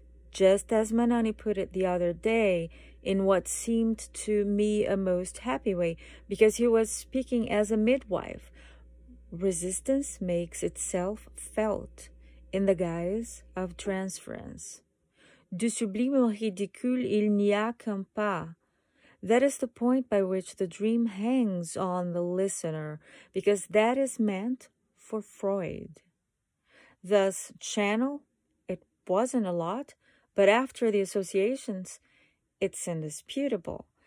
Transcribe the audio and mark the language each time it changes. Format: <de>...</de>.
<en>Just as Manoni put it the other day, in what seemed to me a most happy way, because he was speaking as a midwife. Resistance makes itself felt in the guise of transference.</en> <fr>Du sublime au ridicule, il n'y a qu'un pas.</fr> <en>That is the point by which the dream hangs on the listener, because that is meant for Freud. Thus, channel, it wasn't a lot, but after the associations, it's indisputable.</en>